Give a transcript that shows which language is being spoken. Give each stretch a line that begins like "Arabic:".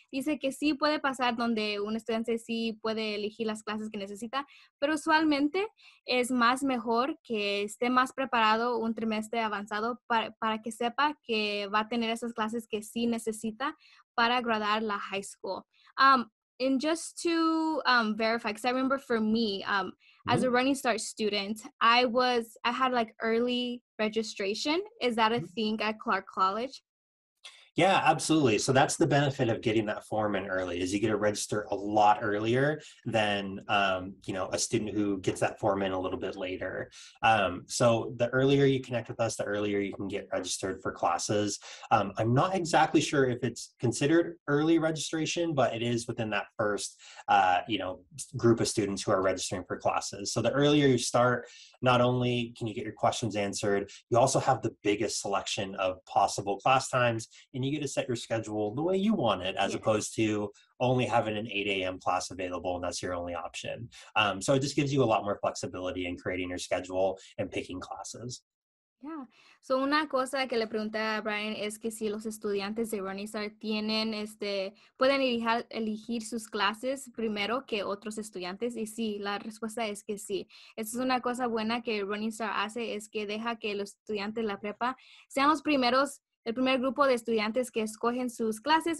Spanish: Dice que sí puede pasar donde un estudiante sí puede elegir las clases que necesita. Pero usualmente es más mejor que esté más preparado un trimestre avanzado para que sepa que va a tener esas clases que sí necesita para graduar la high school.
English: And just to verify, because I remember for me, as a Running Start student, I had like early registration. Is that a thing at Clark College? Yeah, absolutely. So that's the benefit of getting that form in early, is you get to register a lot earlier than, a student who gets that form in a little bit later. So the earlier you connect with us, the earlier you can get registered for classes. I'm not exactly sure if it's considered early registration, but it is within that first, group of students who are registering for classes. So the earlier you start, not only can you get your questions answered, you also have the biggest selection of possible class times, and you get to set your schedule the way you want it, as opposed to only having an 8 a.m. class available and that's your only option. So it just gives you a lot more flexibility in creating your schedule and picking classes. Yeah.
Spanish: So una cosa que le pregunté a Brian es que si los estudiantes de Running Start tienen pueden elegir sus clases primero que otros estudiantes, y sí, la respuesta es que sí. Esa es una cosa buena que Running Start hace, es que deja que los estudiantes de la prepa sean los primeros, el primer grupo de estudiantes que escogen sus clases.